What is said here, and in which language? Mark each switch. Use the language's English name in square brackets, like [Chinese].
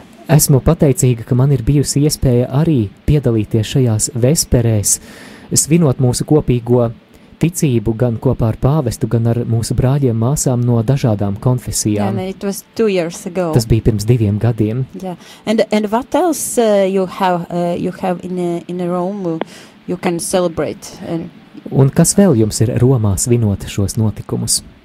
[Latvian] Esmu pateicīga, ka man ir bijusi iespēja arī piedalīties šajās vesperēs, svinot mūsu kopīgo ticību gan kopā ar pāvestu, gan ar mūsu brāļiem māsām no dažādām konfesijām. [English] Yeah, it was 2 years ago. [Latvian] Tas bija pirms 2 gadiem. Yeah. [English] And what else you have in Rome you can celebrate? [Latvian] Un kas vēl jums ir Romā svinot šos notikumus?